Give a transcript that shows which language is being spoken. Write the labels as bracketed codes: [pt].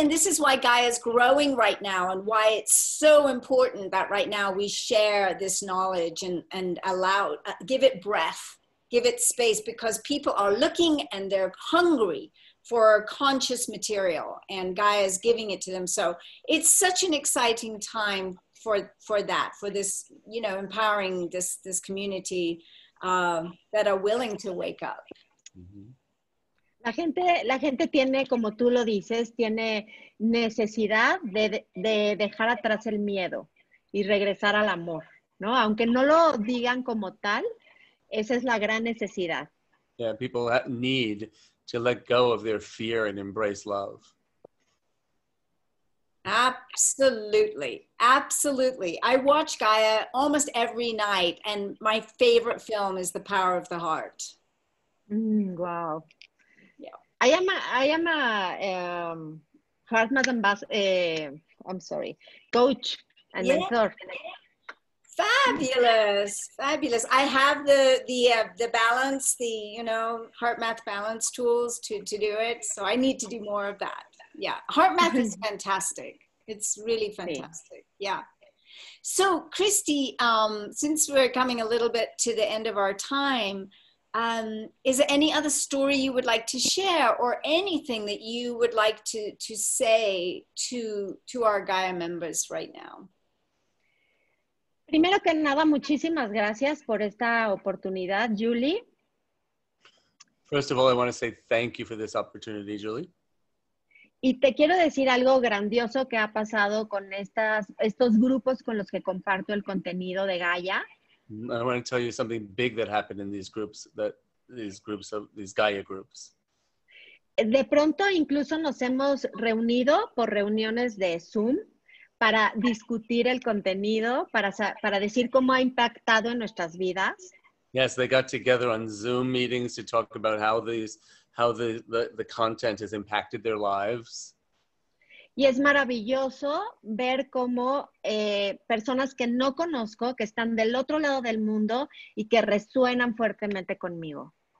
[en] And this is why Gaia is growing right now, and why it's so important that right now we share this knowledge and allow, give it breath, give it space, because people are looking and they're hungry for conscious material, and Gaia is giving it to them. So it's such an exciting time for that, for this, you know, empowering this community that are willing to wake up. Mm-hmm. [es] La gente tiene, como tú lo dices, tiene necesidad de dejar atrás el miedo y regresar al amor, ¿no? Aunque no lo digan como tal, esa es la gran necesidad. [en] Yeah, people need to let go of their fear and embrace love. Absolutely, absolutely. I watch Gaia almost every night, and my favorite film is The Power of the Heart. Wow. I am a heart ambassador, I'm sorry, coach and mentor. Fabulous. I have the balance, the, you know, heart math balance tools to do it. So I need to do more of that. Yeah. Heart math is fantastic. It's really fantastic. Yeah. So Christy, since we're coming a little bit to the end of our time, Is there any other story you would like to share, or anything that you would like to say to our Gaia members right now? [es] Primero que nada, muchísimas gracias por esta oportunidad, Julie. [en] First of all, I want to say thank you for this opportunity, Julie. [es] Y te quiero decir algo grandioso que ha pasado con estos grupos con los que comparto el contenido de Gaia. [en] I want to tell you something big that happened in these groups, these Gaia groups. [es] De pronto incluso nos hemos reunido por reuniones de Zoom para discutir el contenido, para decir cómo ha impactado en nuestras vidas. [en] Yes, they got together on Zoom meetings to talk about how the content has impacted their lives. [es] Y es maravilloso ver cómo personas que no conozco, que están del otro lado del mundo y que resuenan fuertemente conmigo.